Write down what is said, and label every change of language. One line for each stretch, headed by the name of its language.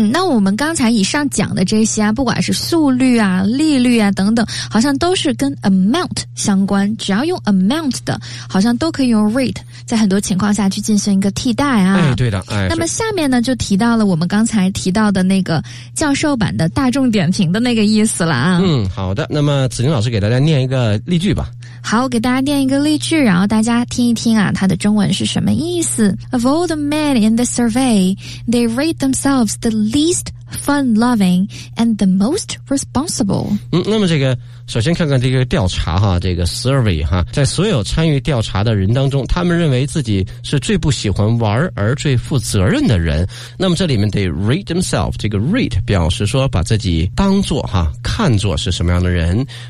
Chinese: 那我们刚才以上讲的这些啊，不管是速率啊、利率啊等等，好像都是跟 amount 相关，只要用 amount 的好像都可以用 rate 在很多情况下去进行一个替代啊。哎，对的。那么下面呢就提到了我们刚才提到的那个教授版的大众点评的那个意思了啊。好的，那么子宁老师给大家念一个例句吧。好，我给大家念一个例句，然后大家听一听啊，它的中文是什么意思。
English: Of all the men in the survey, they rate themselves the least fun-loving and the most responsible。
Chinese: 那么这个首先看看这个调查哈，这个 survey 哈，在所有参与调查的人当中，他们认为自己是最不喜欢玩而最负责任的人。那么这里面 they rate themselves，这个 rate 表示说把自己当作哈，看作是什么样的人。